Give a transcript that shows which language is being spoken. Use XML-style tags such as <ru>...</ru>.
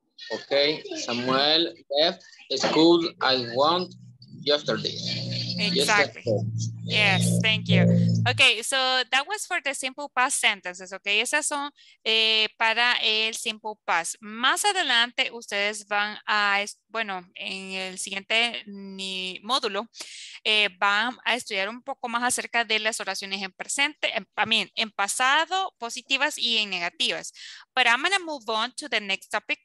<en>Okay, Samuel left school I want yesterday. Exactly. Yes, thank you. Okay, so that was for the simple past sentences, okay?</en> <es>Esas son para el simple past. Más adelante, ustedes van a, bueno, en el siguiente módulo, van a estudiar un poco más acerca de las oraciones en presente, también en pasado, positivas y en negativas.</es> <en>But I'm going to move on to the next topic.</en>